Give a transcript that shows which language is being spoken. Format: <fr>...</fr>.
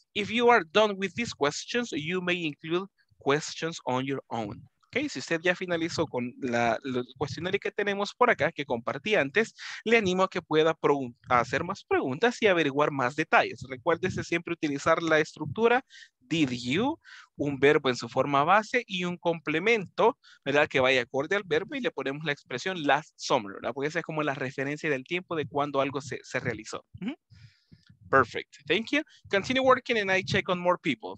<en>If you are done with these questions, you may include questions on your own.</en> <es>Okay, si usted ya finalizó con el cuestionario que tenemos por acá, que compartí antes, le animo a que pueda hacer más preguntas y averiguar más detalles. Recuérdese siempre utilizar la estructura did you, un verbo en su forma base y un complemento, ¿verdad? Que vaya acorde al verbo y le ponemos la expresión last summer, ¿verdad? Porque esa es como la referencia del tiempo de cuando algo se realizó.</es> <en>Mm-hmm. Perfect. Thank you. Continue working and I check on more people.</en>